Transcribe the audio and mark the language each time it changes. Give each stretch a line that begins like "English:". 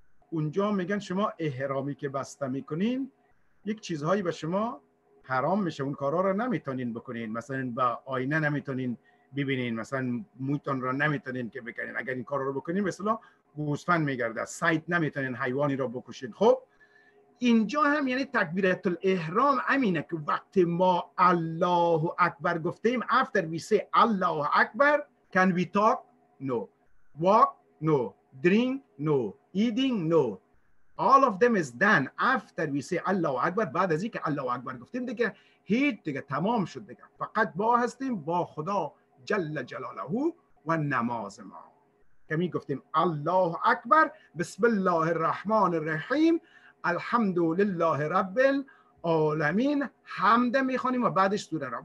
Persian: اونجا میگن شما احرامی که بسته میکنین یک چیزهایی به شما حرام میشه اون کارها را نمیتونین بکنین مثلا با آینه نمیتونین ببینین مثلا مویتون را نمیتونین که بکنین اگر این کار را بکنین مثلا گوسفند میگرده سید نمیتونین حیوانی را بکشین خب اینجا هم یعنی تکبیرت الاحرام امینه که وقتی ما الله اکبر گفتیم
English: after we say
Persian: الله اکبر
English: can we talk? No walk? No drink? No eating? No. All of them is done after we say Allahu Akbar.
Persian: بعد از اینکه Allahu Akbar گفتیم دیگه هیچ دیگه تمام شد دیگه. فقط با هستیم با خدا جل جلاله و نماز ما. کمی گفتیم Allahu Akbar بسم الله الرحمن الرحیم الحمد لله رب العالمین حمد میخوانیم و بعدش سوره را.